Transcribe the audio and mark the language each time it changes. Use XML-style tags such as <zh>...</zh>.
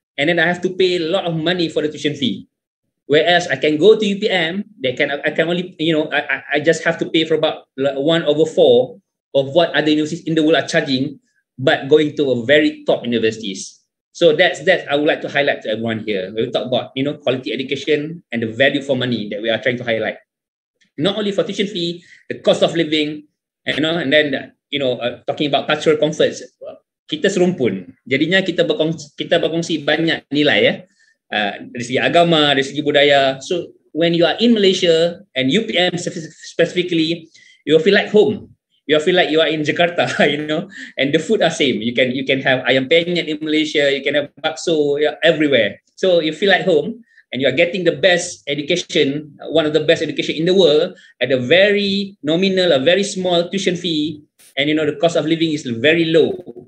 <en>And then I have to pay a lot of money for the tuition fee. Whereas I can go to UPM, I just have to pay for about 1/4 of what other universities in the world are charging, but going to a very top universities. So that I would like to highlight to everyone here. We talk about, you know, quality education and the value for money that we are trying to highlight. Not only for tuition fee, the cost of living, you know, and then, you know, talking about cultural comforts.</en> <ms>Kita serumpun, jadinya kita berkongsi banyak nilai ya, dari segi agama, dari segi budaya.</ms> <en>So when you are in Malaysia and UPM specifically, you will feel like home. You will feel like you are in Jakarta, you know. And the food are same. You can have ayam penyet in Malaysia. You can have bakso, yeah, everywhere. So you feel like home, and you are getting the best education, one of the best education in the world, at a very nominal, a very small tuition fee, and you know the cost of living is very low.</en>